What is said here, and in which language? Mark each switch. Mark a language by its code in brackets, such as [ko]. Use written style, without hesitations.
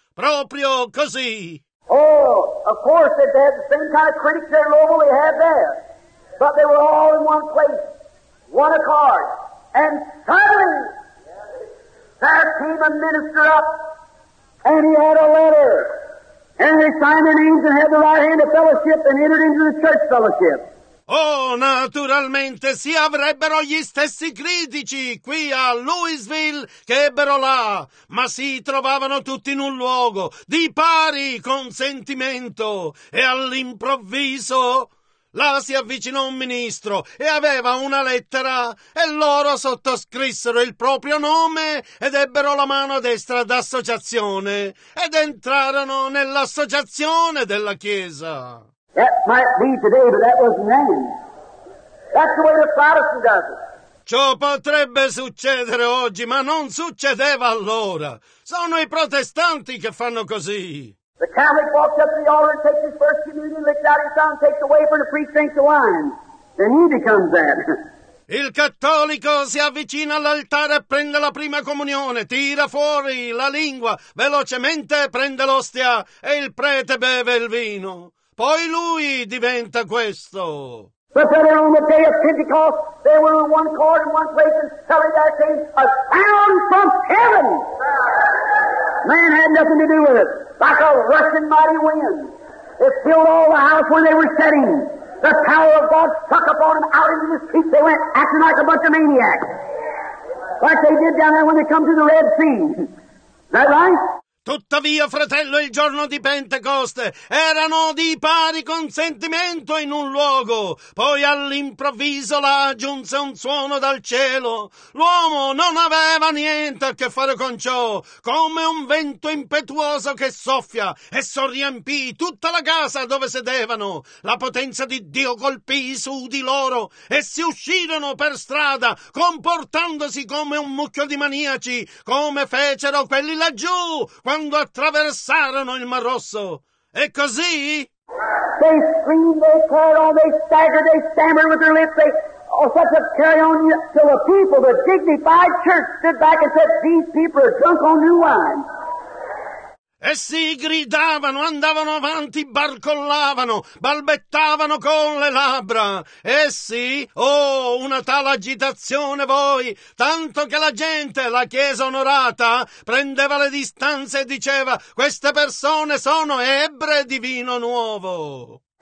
[it] Proprio così. [en] Oh, of course, they had the same kind of critics there in Louisville we had there. But they were all in one place, one accord. And suddenly, there came a minister up, and he had a letter. And they signed their names and had the right hand of fellowship and entered into the church fellowship. [it] Oh, naturalmente, si avrebbero gli stessi critici qui a Louisville che ebbero là, ma si trovavano tutti in un luogo di pari consentimento, e all'improvviso... Là si avvicinò un ministro e aveva una lettera e loro sottoscrissero il proprio nome ed ebbero la mano destra d'associazione ed entrarono nell'associazione della Chiesa. [en] That might be today, but that was then. That's the way the Protestant does it. [it] Ciò potrebbe succedere oggi, ma non succedeva allora. Sono i protestanti che fanno così. [en] The Catholic walks up to the altar, takes his first communion, licks out his tongue, takes the wafer, and the priest drinks the wine. Then he becomes that. [it] Il cattolico si avvicina all'altare e prende la prima comunione, tira fuori la lingua, velocemente prende l'ostia e il prete beve il vino. Poi lui diventa questo. [en] But then on the day of Pentecost, they were in one court in one place and suddenly there came a sound from heaven. Man had nothing to do with it. Like a rushing mighty wind. It filled all the house where they were sitting. The power of God struck upon them out into the streets. They went acting like a bunch of maniacs. Like they did down there when they come to the Red Sea. Is that right? [it] Tuttavia, fratello, il giorno di Pentecoste erano di pari consentimento in un luogo. Poi all'improvviso là giunse un suono dal cielo. L'uomo non aveva niente a che fare con ciò, come un vento impetuoso che soffia e sorriempì tutta la casa dove sedevano. La potenza di Dio colpì su di loro e si uscirono per strada comportandosi come un mucchio di maniaci, come fecero quelli laggiù quando attraversarono il Mar Rosso. E così? [en] They screamed, they cried on, they staggered, they stammered with their lips, they all such a carry on you, till the people, the dignified church, stood back and said, these people are drunk on new wine. [it] Essi gridavano, andavano avanti, barcollavano, balbettavano con le labbra. Essi, oh, una tale agitazione voi, tanto che la gente, la chiesa onorata, prendeva le distanze e diceva, queste persone sono ebre di vino nuovo.